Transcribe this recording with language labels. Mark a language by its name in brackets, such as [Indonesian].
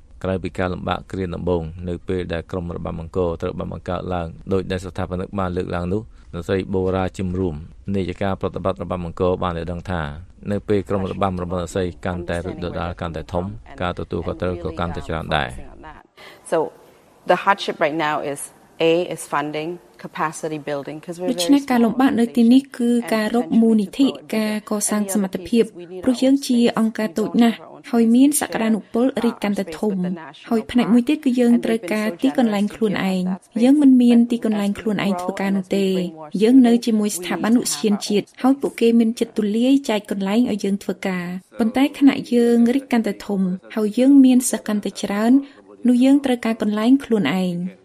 [Khmer] ក្រៅពីការលំបាកគ្រាដំបូងនៅពេលដែលក្រុមរបាំអង្គរត្រូវបានបង្កើតឡើងដោយដែលស្ថាបនិកបានលើកឡើងនោះនៅស្រីបូរ៉ាជំរំនាយិកាប្រតិបត្តិរបាំអង្គរបានដឹងថានៅពេលក្រុមរបាំរបស់ស្រីកាន់តែរីកដុះដាលកាន់តែធំការទទួលខុសត្រូវក៏កាន់តែច្រើនដែរ [English] So the hardship right now is funding capacity building because we're very [Khmer] ការលំបាកនៅទីនេះគឺការរកមូលនិធិការកសាងសមត្ថភាពព្រោះយើងជាអង្គការតូចណាស់ហើយមានសក្តានុពលរីកកាន់តែធំហើយផ្នែកមួយទៀតគឺយើងត្រូវការទីកន្លែងខ្លួនឯងយើងមិនមានទីកន្លែងខ្លួនឯងធ្វើការនោះទេយើងនៅជាមួយស្ថាប័នឧស្សាហកម្មជាតិហើយពួកគេមានចិត្តទូលាយចែកកន្លែងឲ្យយើងធ្វើការប៉ុន្តែខណៈយើងរីកកាន់តែធំហើយយើងមានសក្តានុពលច្រើននោះយើងត្រូវការកន្លែងខ្លួនឯង